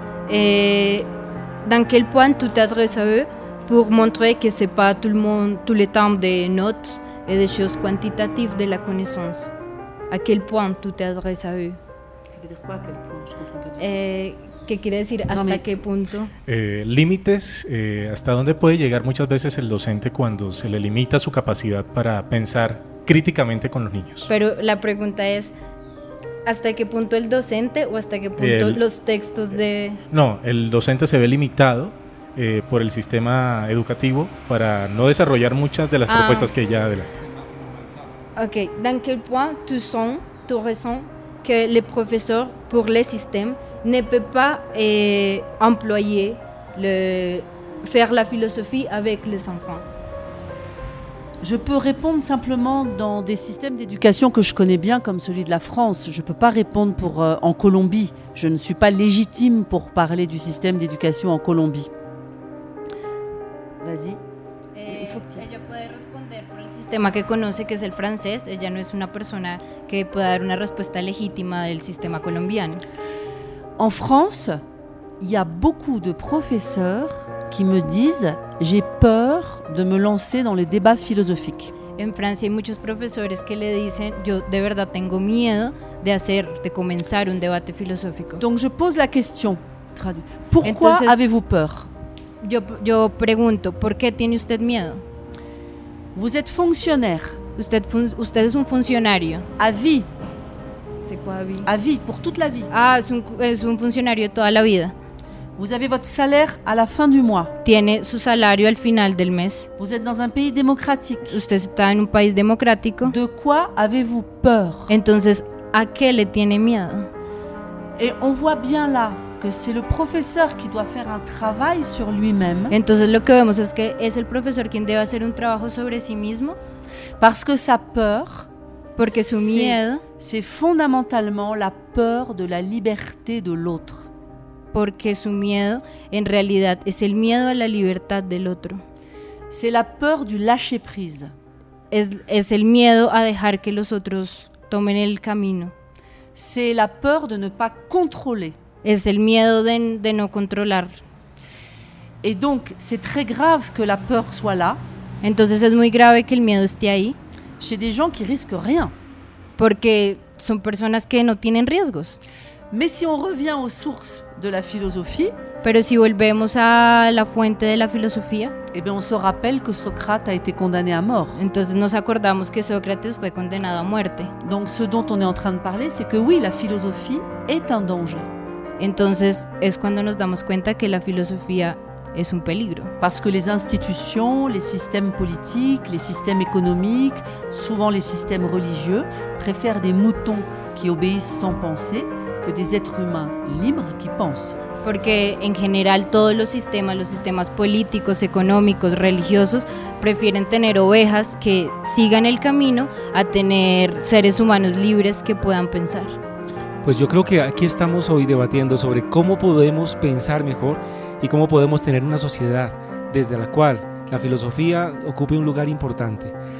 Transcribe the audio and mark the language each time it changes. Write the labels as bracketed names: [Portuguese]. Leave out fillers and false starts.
[French] Et dans quel point tu t'adresses à eux pour montrer que c'est pas tout le monde, tout le temps des notes et des choses quantitatives de la connaissance. À quel point tu t'adresses à eux? Ça veut dire quoi, à quel point? Je comprends pas du tout. [Spanish] ¿Qué quiere decir? ¿Hasta qué punto? Límites, ¿hasta dónde puede llegar muchas veces el docente cuando se le limita su capacidad para pensar críticamente con los niños? Pero la pregunta es, ¿hasta qué punto el docente o hasta qué punto los textos de...? No, el docente se ve limitado por el sistema educativo para no desarrollar muchas de las propuestas que ya adelanta. Ok, ¿en qué punto tú [French] ressens que [Spanish] el profesor, por el sistema, [French] ne peut pas employer le faire la philosophie avec les enfants? Je peux répondre simplement dans des systèmes d'éducation que je connais bien, comme celui de la France. Je ne peux pas répondre pour en Colombie. Je ne suis pas légitime pour parler du système d'éducation en Colombie. Vas-y. [Spanish] Ella puede responder por el sistema que conoce, que es el francés. Ella no es una persona que pueda dar una respuesta legítima del sistema colombiano. [French] En France, il y a beaucoup de professeurs qui me disent « j'ai peur de me lancer dans les débats philosophiques ». [Spanish] En Francia hay muchos profesores que le dicen « yo de verdad tengo miedo de comenzar un debate filosófico ». [French] Donc je pose la question, traduit. Pourquoi [Spanish] Entonces, [French] avez-vous peur? [Spanish] Yo pregunto, ¿por qué tiene usted miedo? [French] Vous êtes fonctionnaire. [Spanish] Usted es un funcionario. [French] À vie. C'est quoi, vie? À vie, pour toute la vie. [Spanish] Ah, es un funcionario toda la vida. [French] Vous avez votre salaire à la fin du mois. [Spanish] Tiene su salario al final del mes. [French] Vous êtes dans un pays démocratique. [Spanish] Usted está en un país democrático. [French] De quoi avez-vous peur? [Spanish] Entonces, ¿a qué le tiene miedo? [French] Et on voit bien là que c'est le professeur qui doit faire un travail sur lui-même. [Spanish] Entonces, lo que vemos es que es el profesor quien debe hacer un trabajo sobre sí mismo. [French] Parce que sa peur... [Spanish] Porque su miedo, [French] c'est fondamentalement la peur de la liberté de l'autre. [Spanish] Porque su miedo, en realidad, es el miedo a la libertad del otro. [French] C'est la peur du lâcher prise. [Spanish] Es el miedo a dejar que los otros tomen el camino. [French] C'est la peur de ne pas contrôler. [Spanish] Es el miedo de no controlar. [French] Et donc, c'est très grave que la peur soit là. [Spanish] Entonces es muy grave que el miedo esté ahí. [French] Chez des gens qui risquent rien. [Spanish] Porque son personas que no tienen riesgos. [French] Mais si on revient aux sources de la philosophie, [Spanish] pero si volvemos a la fuente de la filosofía, [French] eh bien on se rappelle que Socrate a été condamné à mort. [Spanish] Entonces nos acordamos que Sócrates fue condenado a muerte. [French] Donc ce dont on est en train de parler, c'est que oui, la philosophie est un danger. [Spanish] Entonces es cuando nos damos cuenta que la filosofía es un peligro. [French] Parce que les institutions, les systèmes politiques, les systèmes économiques, souvent les systèmes religieux, préfèrent des moutons qui obéissent sans penser que des êtres humains libres qui pensent. [Spanish] Porque en general todos los sistemas políticos, económicos, religiosos, prefieren tener ovejas que sigan el camino a tener seres humanos libres que puedan pensar. Pues yo creo que aquí estamos hoy debatiendo sobre cómo podemos pensar mejor y cómo podemos tener una sociedad desde la cual la filosofía ocupe un lugar importante.